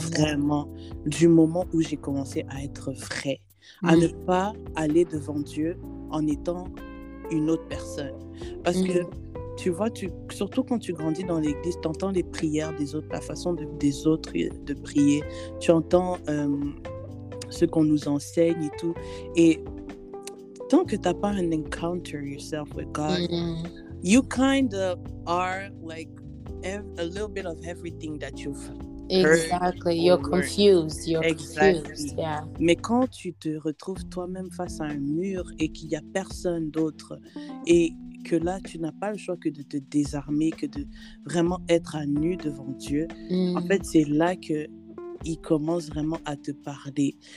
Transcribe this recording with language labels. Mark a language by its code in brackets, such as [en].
[fr] Vraiment, du moment où j'ai commencé à être vrai, à ne pas aller devant Dieu en étant une autre personne. Parce que tu vois, surtout quand tu grandis dans l'église, tu entends les prières des autres, la façon des autres de prier. Tu entends ce qu'on nous enseigne et tout. Et tant que tu n'as pas un [en] encounter yourself with God, mm-hmm. you kind of are like a little bit of everything that you've heard. Exactly, you're confused. Yeah. [fr] Mais quand tu te retrouves toi-même face à un mur et qu'il n'y a personne d'autre, et que là, tu n'as pas le choix que de te désarmer, que de vraiment être à nu devant Dieu. Mm. En fait, c'est là qu'il commence vraiment à te parler.